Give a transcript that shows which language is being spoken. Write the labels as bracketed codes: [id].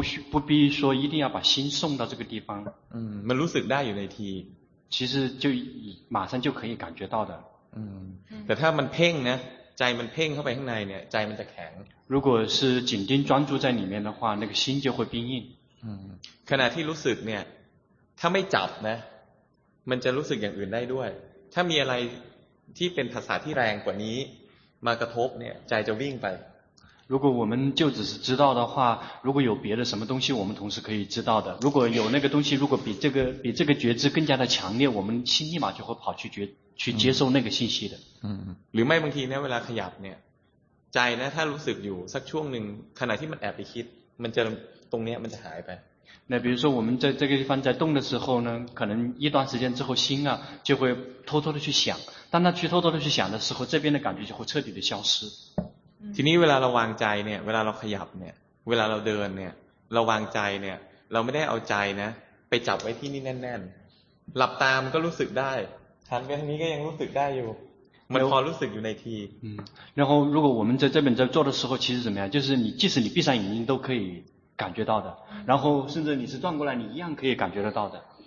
[zh] 不必说一定要把心送到这个地方 [th] มันรู้สึกได้อยู่ในที [zh] 其实就马上就可以感觉到的 [th] แต่ถ้ามันเพ่งนะใจมันเพ่งเข้าไปข้างในเนี่ยใจมันจะแข็ง [zh] 如果是紧盯专注在里面的话那个心就会冰硬 [th] ขณะที่รู้สึกเนี่ยถ้าไม่จับนะมันจะรู้สึกอย่างอื่นได้ด้วยถ้ามีอะไรที่เป็นภาษาที่แรงกว่านี้มากระทบเนี่ยใจจะวิ่งไป [zh] 如果我们就只是知道的话如果有别的什么东西我们同时可以知道的如果有那个东西如果比这个觉知更加的强烈我们心立马就会跑去接受那个信息的 [th] หรือไม่บางทีเนี่ยเวลาขยับเนี่ยใจนะถ้ารู้สึกอยู่สักช่วงหนึ่งขณะที่มันแอบไปคิดมันจะตรงเนี้ยมันจะหายไป [zh] 那比如说我们在这个地方在动的时候呢可能一段时间之后心啊就会偷偷的去想当他去偷偷的去想的时候这边的感觉就会彻底的消失 [th] ทีนี้เวลาเราวางใจเนี่ยเวลาเราขยับเนี่ยเวลาเราเดินเนี่ยเราวางใจเนี่ยเราไม่ได้เอาใจนะไปจับไว้ที่นี่แน่นๆหลับตามันก็รู้สึกได้ทางนี้ก็ยังรู้สึกได้อยู่มันพอรู้สึกอยู่ในที [zh] 然后如果我们在这边在做的时候其实怎么样就是你即使你闭上眼睛都可以感觉到的然后甚至你是转过来你一样可以感觉得到的